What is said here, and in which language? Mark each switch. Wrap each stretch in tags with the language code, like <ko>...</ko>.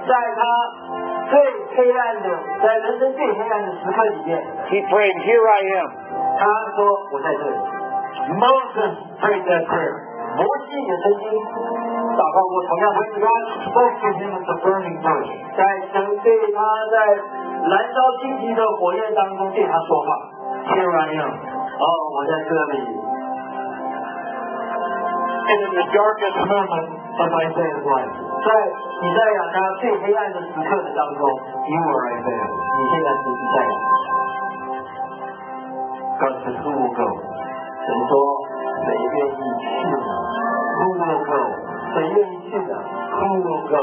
<zh>在他最黑暗的，在人生最黑暗的时刻里面</zh> <en>，He prayed, "Here I am."</en> <zh>他说我在这里。</zh> <en>Moses prayed that prayer.</en> <zh>摩西也曾经祷告过同样的。</zh> <en>When God spoke to him at the burning bush,</en> <zh>在神对他在燃烧荆棘的火焰当中对他说话</zh> <en>，Here I am.</en> <zh>哦，我在这里。</zh> <en>And in the darkest moment of Isaiah's life,</en> <zh>在以赛亚他最黑暗的时刻的当中</zh> <en>，You are Isaiah.</en> <zh>你现在是以赛亚。</zh> <en>God says, "Who will go?"</en> <zh>神说，谁愿意去呢</zh> <en>？Who will go?</en> <zh>谁愿意去呢</zh> <en>？Who will go?</en>